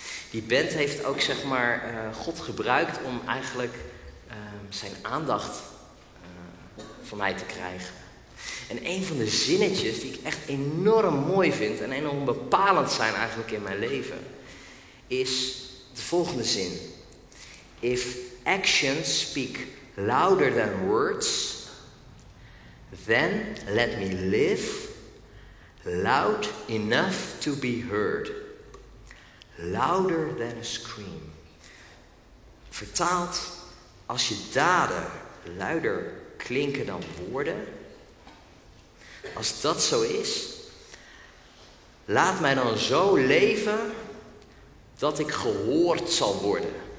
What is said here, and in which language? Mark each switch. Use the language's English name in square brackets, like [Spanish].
[Dutch] Die band heeft ook, zeg maar, God gebruikt om eigenlijk zijn aandacht van mij te krijgen. En een van de zinnetjes die ik echt enorm mooi vind en enorm bepalend zijn eigenlijk in mijn leven, is de volgende zin. [English] If actions speak louder than words, then let me live loud enough to be heard. Louder than a scream. [Dutch] Vertaald, als je daden luider klinken dan woorden. Als dat zo is, laat mij dan zo leven dat ik gehoord zal worden.